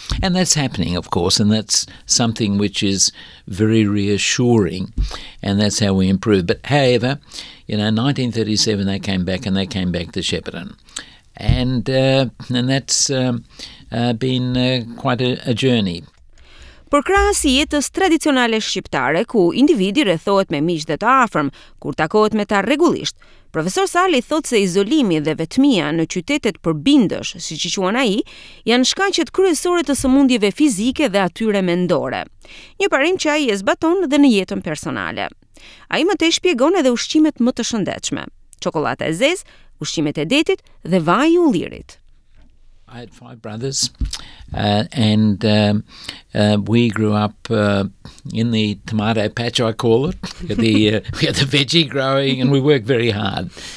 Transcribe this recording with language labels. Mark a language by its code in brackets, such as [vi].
[en] And that's happening, of course, and that's something which is very reassuring, and that's how we improve. But however, you know, 1937 they came back, and they came back to Shepparton. And that's been quite a journey. [sq] Përkrahas jetës tradicionale shqiptare, ku individi rrethohet me miq dhe të afërm, kur takohet me ta rregullisht, profesor Sali thotë se izolimi dhe vetmia në qytetet përbindësh, siç i quan ai, janë shkaqet kryesore të sëmundjeve fizike dhe atyre mendore. Një parim që ai e zbaton edhe në jetën personale. Ai më tej shpjegon edhe ushqimet më të shëndetshme: çokoladë e zezë, ushqimet e detit dhe vaji ullirit. [en] I had five brothers, and we grew up in the tomato patch, I call it. We had the veggie growing, and we worked very hard.